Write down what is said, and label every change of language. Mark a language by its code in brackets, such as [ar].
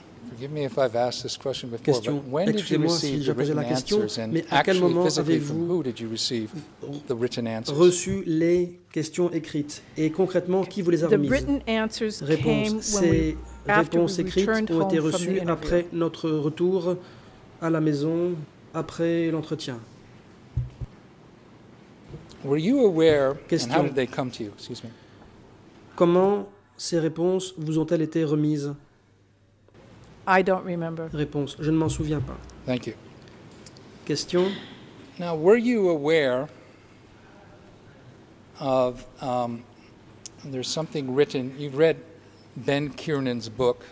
[en] Forgive me if I've asked this question before, but when did you receive the written answers, and actually physically from who did you receive the written answers? [fr] Reçu les questions écrites et concrètement qui vous les a remises? [en] The written answers [fr] réponse, [en] came when we [fr] réponses écrites ont été reçues après notre retour à la maison après l'entretien. [en] Were you aware and how did they come to you? Excuse me. [fr] Comment ces réponses vous ont-elles été remises? [en] I don't remember. [fr] Réponse, je ne m'en souviens pas. [en] Thank you. [fr] Question. [en] Now, were you aware of, there's something written, you've read Ben Kiernan's book.